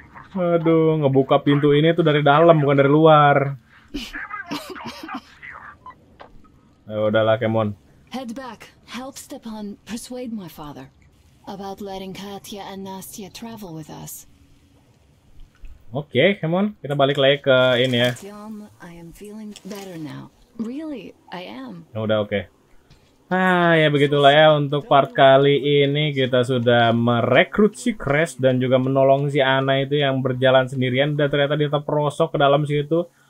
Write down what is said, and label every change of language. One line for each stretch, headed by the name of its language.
Indonesian: Aduh, ngebuka pintu ini tuh dari dalam bukan dari luar. Ya udahlah, Kemon.
English: Head back. Help Stepan persuade my father about letting Katya and Nastya travel with us.
Indonesian: Oke, Kemon, kita balik lagi ke ini ya.
English: Artyom, I am feeling better now. Really, I am.
Indonesian: Udah oke. Ah, ya begitulah ya untuk part kali ini, kita sudah merekrut si Crash dan juga menolong si Anna itu yang berjalan sendirian dan ternyata dia terperosok ke dalam situ.